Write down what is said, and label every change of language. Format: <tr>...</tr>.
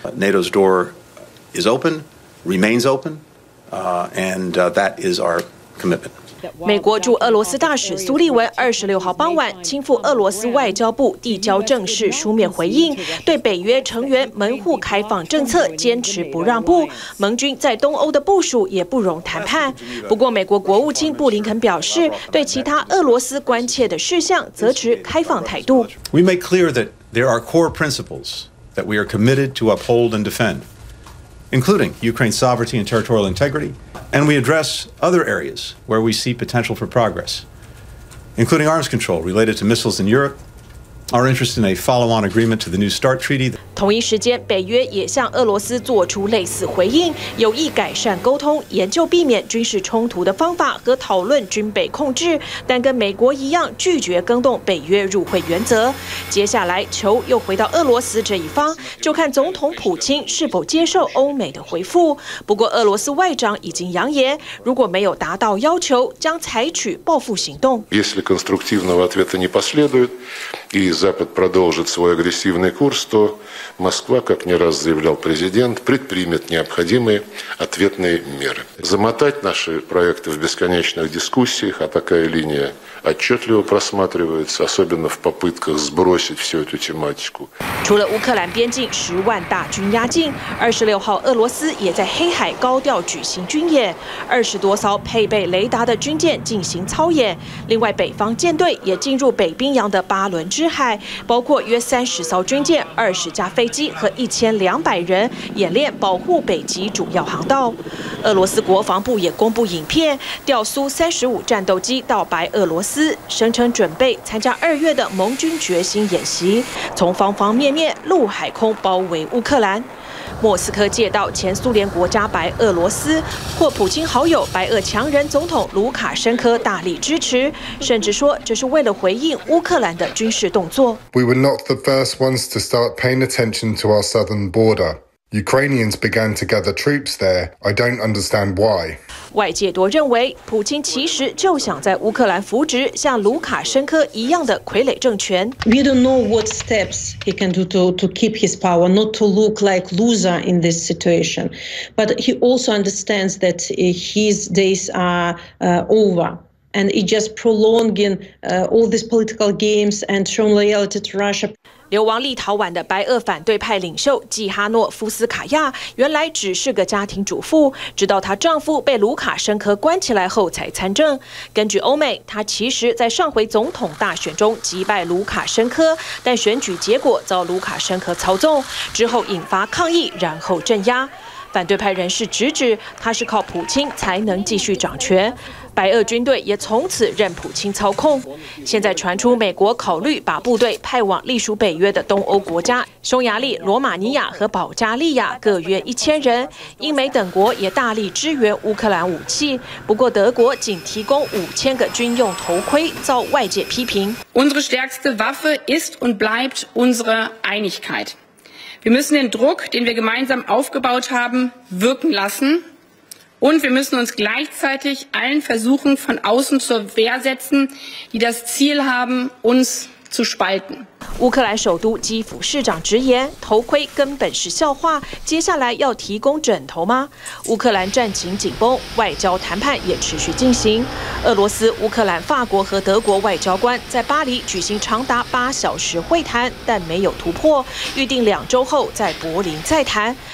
<en>NATO's door is open, remains open, and that is our commitment.</en> <zh>美国驻俄罗斯大使苏利文26号傍晚亲赴俄罗斯外交部递交正式书面回应，对北约成员门户开放政策坚持不让步，盟军在东欧的部署也不容谈判。不过，美国国务卿布林肯表示，对其他俄罗斯关切的事项则持开放态度。 We make clear that there are core principles that we are committed to uphold and defend, including Ukraine's sovereignty and territorial integrity. And we address other areas where we see potential for progress, including arms control related to missiles in Europe, our interest in a follow-on agreement to the New START treaty. 同一时间，北约也向俄罗斯做出类似回应，有意改善沟通，研究避免军事冲突的方法和讨论军备控制，但跟美国一样拒绝更动北约入会原则。接下来，球又回到俄罗斯这一方，就看总统普京是否接受欧美的回复。不过，俄罗斯外长已经扬言，如果没有达到要求，将采取报复行动。</zh> <ru>Если конструктивного ответа не последует и Запад продолжит свой агрессивный курс, то Москва, как не раз заявлял президент, предпримет необходимые ответные меры. Замотать наши проекты в бесконечных дискуссиях, а такая линия отчетливо просматривается, особенно в попытках сбросить всю эту тематику.</ru> <zh>除了乌克兰边境十万大军压境，26号俄罗斯也在黑海高调举行军演，20多艘配备雷达的军舰进行操演。另外，北方舰队也进入北冰洋的巴伦支海，包括约30艘军舰、20架飞机和1200人演练保护北极主要航道。俄罗斯国防部也公布影片，调苏35战斗机到白俄罗斯，声称准备参加2月的盟军决心演习，从方方面面陆海空包围乌克兰。莫斯科借道前苏联国家白俄罗斯，获普京好友白俄强人总统卢卡申科大力支持，甚至说这是为了回应乌克兰的军事动作。</zh> <en>We were not the first ones to start paying attention to our southern border. Ukrainians began to gather troops there. I don't understand why.</en> <zh>外界多认为，普京其实就想在乌克兰扶植像卢卡申科一样的傀儡政权。</zh> <en>We don't know what steps he can do to keep his power, not to look like loser in this situation. But he also understands that his days are over. And it just prolonging all these political games and showing loyalty to Russia.</en> <zh>流亡立陶宛的白俄反对派领袖季哈诺夫斯卡娅原来只是个家庭主妇，直到她丈夫被卢卡申科关起来后才参政。根据欧美，她其实在上回总统大选中击败卢卡申科，但选举结果遭卢卡申科操纵，之后引发抗议，然后镇压。反对派人士直指他是靠普京才能继续掌权，白俄军队也从此任普京操控。现在传出美国考虑把部队派往隶属北约的东欧国家，匈牙利、罗马尼亚和保加利亚各约1000人。英美等国也大力支援乌克兰武器，不过德国仅提供5000个军用头盔，遭外界批评。</zh> <de>Unsere stärkste Waffe ist und bleibt unsere Einigkeit. Wir müssen den Druck, den wir gemeinsam aufgebaut haben, wirken lassen. Und wir müssen uns gleichzeitig allen Versuchen von außen zur Wehr setzen, die das Ziel haben, uns zu spalten.</de> <zh>乌克兰首都基辅市长直言，头盔根本是笑话，接下来要提供枕头吗？乌克兰战情紧绷，外交谈判也持续进行。俄罗斯、乌克兰、法国和德国外交官在巴黎举行长达8小时会谈，但没有突破，预定2周后在柏林再谈。</zh>